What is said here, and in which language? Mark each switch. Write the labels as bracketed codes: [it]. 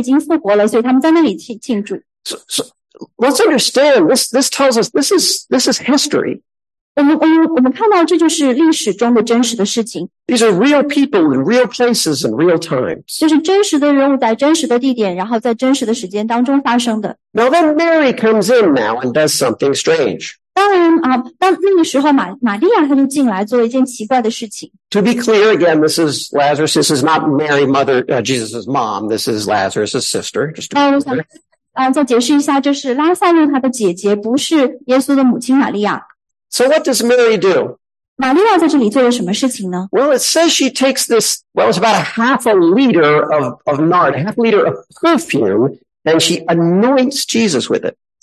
[zh] 这是一个宴席，拉撒路他已经复活了，所以他们在那里庆祝。 [en] So let's understand. This tells us this is history. [zh] 我们看到这就是历史中的真实的事情。 [en] These are real people in real places and real times. [zh] 就是真实的人物在真实的地点，然后在真实的时间当中发生的。 [en] Now then Mary comes in now and does something strange. [zh] 当然，当那个时候玛利亚她就进来做一件奇怪的事情。 [en] To be clear again, this is Lazarus. This is not Mary, mother, Jesus' mom. This is Lazarus' sister. Just to be clear. [zh] 再解释一下，就是拉撒路他的姐姐，不是耶稣的母亲玛利亚。 [en] So what does Mary do? [zh] 玛利亚在这里做了什么事情呢? [en] Well, it says she takes this, well, it's about a half a liter of nard, half a liter of perfume, and she anoints Jesus with it.